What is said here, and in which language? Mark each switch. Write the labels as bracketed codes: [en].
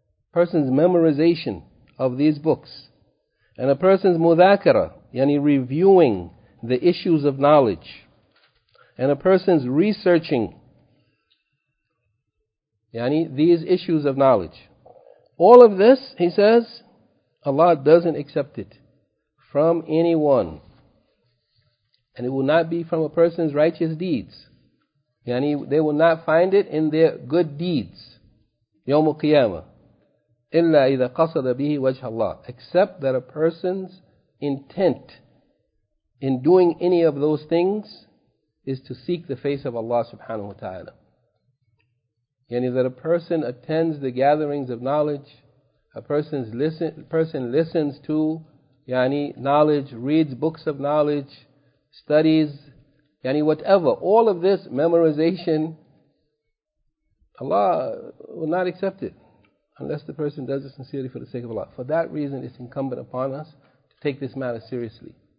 [en] A person's memorization of these books, and a person's mudhakara, reviewing the issues of knowledge, and a person's researching these issues of knowledge. All of this, he says, Allah doesn't accept it from anyone. And it will not be from a person's righteous deeds. They will not find it in their good deeds. [ar] يوم القيامة إلا إذا قصد به وجه الله. [en] Except that a person's intent in doing any of those things is to seek the face of Allah subhanahu wa ta'ala. Yani that a person attends the gatherings of knowledge, a person listens to yani knowledge, reads books of knowledge, studies, yani whatever, all of this memorization, Allah will not accept it unless the person does it sincerely for the sake of Allah. For that reason, it's incumbent upon us to take this matter seriously.